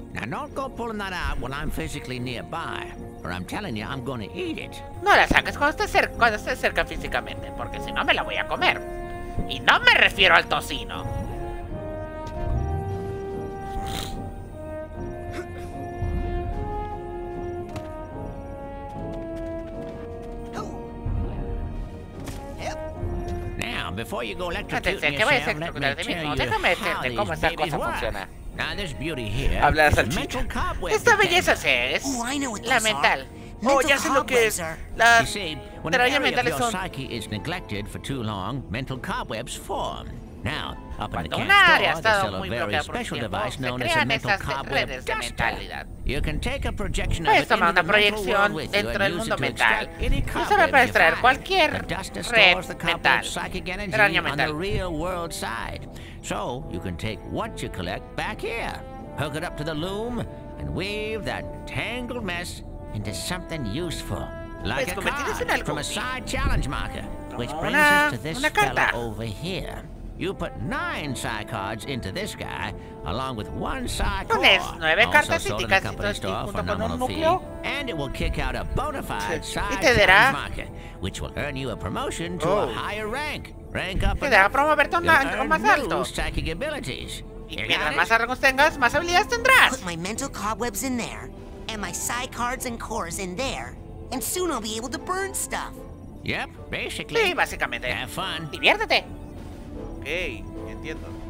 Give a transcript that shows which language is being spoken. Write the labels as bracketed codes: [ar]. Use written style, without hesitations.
[en] Don't go pulling that out when I'm physically nearby, or I'm telling you I'm gonna eat it. [es] No la saques cuando estés cerca físicamente, porque si no me la voy a comer. Y no me refiero al tocino. [en] Now, before you go electrocuting yourself, let me tell you how these babies work. Now this beauty here. [es] Habla salchicha. Esta belleza se es la mental. Oh, ya sé lo que es. Las telarañas mentales son. Cuando una área de tu psique es neglectada por demasiado tiempo, mental [en] cobwebs form. Now, up in the cancer, there is a very special device known as a mental cobweb duster. You can take a projection of it into the projection [es] dentro del mundo mental. Y se va a extraer cualquier red mental. Telaraña mental. [en] Real world side. So, you can take what you collect back here, hook it up to the loom, and weave that tangled mess into something useful. Like a card from a side challenge marker, which brings us to this fella over here. You put 9 psi cards into this guy, along with 1 psi core, also sold in the company store for nominal fee, and it will kick out a bona fide psi challenge marker, which will earn you a promotion to a higher rank. [es] Te deja promoverte a un rango más alto. Y mientras más rangos tengas, más habilidades tendrás. [en] Put my mental cobwebs in there, and my psi cards and cores in there, and soon I'll be able to burn stuff. Yep, basically. [es] Sí, básicamente. [en] Have fun. [es] Diviértete. Ok, entiendo.